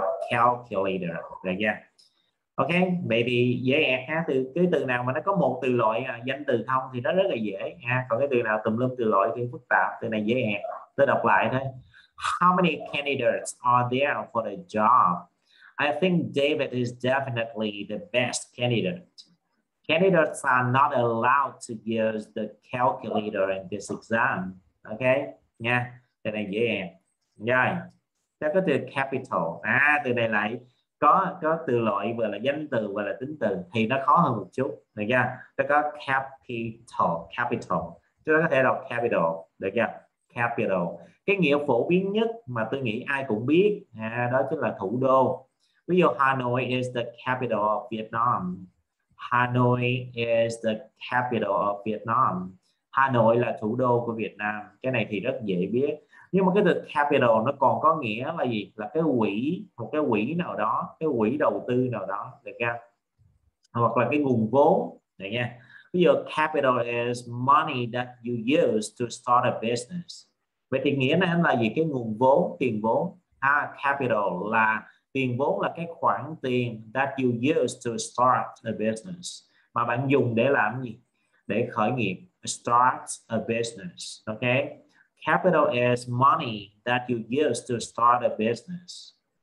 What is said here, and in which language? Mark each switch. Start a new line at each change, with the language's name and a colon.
Vietnamese: Calculator là nha. Ok, vậy thì dễ ẹt ha, từ cái từ nào mà nó có một từ loại danh từ không thì nó rất là dễ ha, còn cái từ nào tùm lum từ loại thì phức tạp, từ này dễ ẹt. Tôi đọc lại thôi.
English: How many candidates are there for the job? I think David is definitely the best candidate. Candidates are not allowed to use the calculator in this exam.
Vietnamese: Ok, nha. Từ này dễ ẹt. Rồi, ta có từ capital. Từ này lại có từ loại vừa là danh từ vừa là tính từ thì nó khó hơn một chút, được chưa? Ta có capital, capital, chúng ta có thể đọc capital, được chưa? Capital, cái nghĩa phổ biến nhất mà tôi nghĩ ai cũng biết, đó chính là thủ đô. Ví dụ
English: Hanoi is the capital of Vietnam. Hanoi is the capital of Vietnam.
Vietnamese: Hanoi là thủ đô của Việt Nam, cái này thì rất dễ biết. Nhưng mà cái từ capital nó còn có nghĩa là gì? Là cái quỹ, một cái quỹ nào đó, cái quỹ đầu tư nào đó, được chưa? Hoặc là cái nguồn vốn, được nha. Ví dụ
English: capital is money that you use to start a business.
Vietnamese: Vậy thì nghĩa này là gì? Cái nguồn vốn, tiền vốn. Capital là tiền vốn, là cái khoản tiền
English: that you use to start a business,
Vietnamese: mà bạn dùng để làm gì? Để khởi nghiệp,
English: start a business,
Vietnamese: ok?
English: Capital is money that you use to start a business.